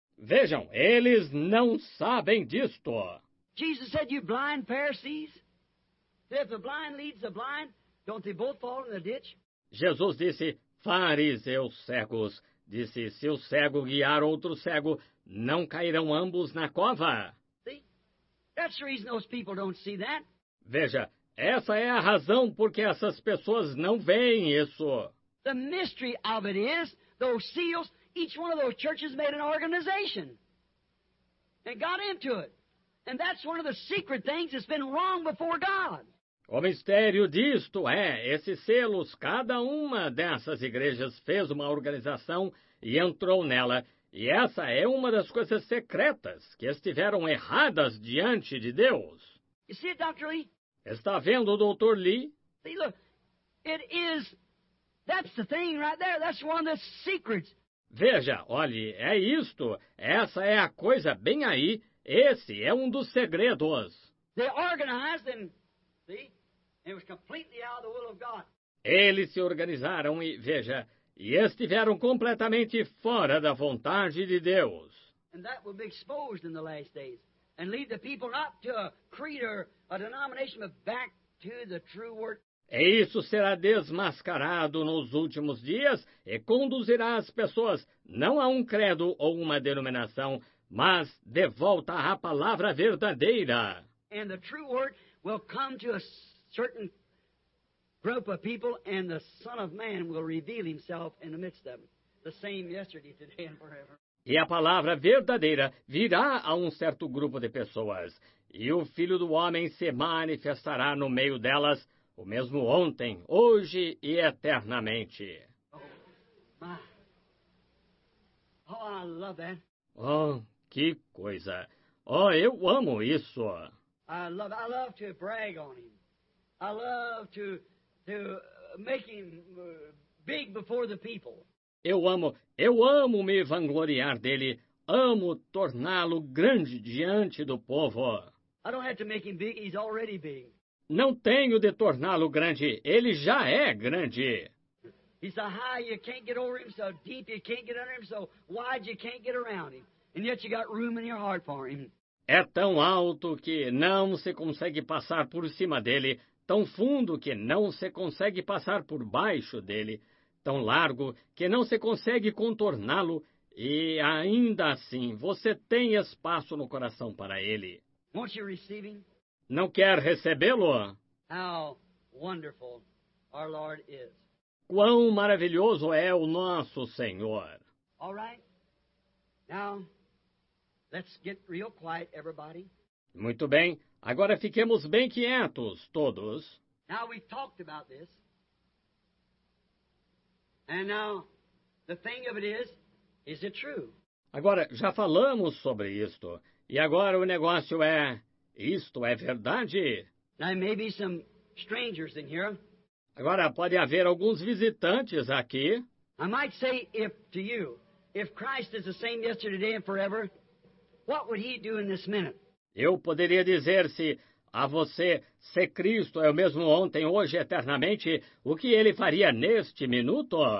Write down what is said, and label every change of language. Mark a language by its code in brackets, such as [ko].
[pt] Vejam, eles não sabem disto. [en] Jesus said, you blind Pharisees, if the blind leads the blind, don't they both fall in the ditch? [pt] Jesus disse, fariseus cegos, disse, se o cego guiar outro cego, não cairão ambos na cova? [en] See? That's the reason those people don't see that. [pt] Veja, essa é a razão porque essas pessoas não veem isso. [en] The mystery of it is, those seals, each one of those churches made an organization. And got into it. And that's one of the secret things that's been wrong before God. [pt] O mistério disto é, esses selos, cada uma dessas igrejas fez uma organização e entrou nela. E essa é uma das coisas secretas que estiveram erradas diante de Deus. [en] You see it, Dr. Lee? [pt] Está vendo, Dr. Lee? [en] See, look, it is, that's the thing right there, that's one of the secrets. [pt] Veja, olhe, é isto, essa é a coisa bem aí, esse é um dos segredos. [en] They organized and... See? It was completely out of the will of God. [pt] Eles se organizaram e, veja, e estiveram completamente fora da vontade de Deus. [en] And that will be exposed in the last days. And lead the people not to a creed or a denomination, but back to the true word. [pt] E isso será desmascarado nos últimos dias e conduzirá as pessoas não a um credo ou uma denominação, mas de volta à palavra verdadeira. [en] And the true word will come to a certain group of people and the Son of Man will reveal himself in the midst of them. The same yesterday, today and forever. [pt] E a palavra verdadeira virá a um certo grupo de pessoas e o Filho do Homem se manifestará no meio delas o mesmo ontem, hoje e eternamente. [en] Oh, I love that. [pt] Oh, que coisa! Oh, eu amo isso! [en] I love to brag on him. I love to make him big before the people. [pt] Eu amo me vangloriar dele. Amo torná-lo grande diante do povo. [en] I don't have to make him big. He's already big. [pt] Não tenho de torná-lo grande. Ele já é grande. [en] He's so high you can't get over him, so deep you can't get under him, so wide you can't get around him. And yet you got room in your heart for him. [pt] É tão alto que não se consegue passar por cima dele, tão fundo que não se consegue passar por baixo dele, tão largo que não se consegue contorná-lo, e ainda assim você tem espaço no coração para ele. [en] Won't you receive him? [pt] Não quer recebê-lo? [en] How wonderful our Lord is. [pt] Quão maravilhoso é o nosso Senhor. [en] All right. Now, let's get real quiet, everybody. [pt] Muito bem. Agora fiquemos bem quietos, todos. [en] Now we've talked about this. And now, the thing of it is it true? [pt] Agora, já falamos sobre isto. E agora o negócio é, isto é verdade? [en] There may be some strangers in here. [pt] Agora, pode haver alguns visitantes aqui. [en] I might say if to you, if Christ is the same yesterday, today and forever, what would he do in this minute? [pt] Eu poderia dizer se a você, se Cristo é o mesmo ontem, hoje, eternamente, o que ele faria neste minuto?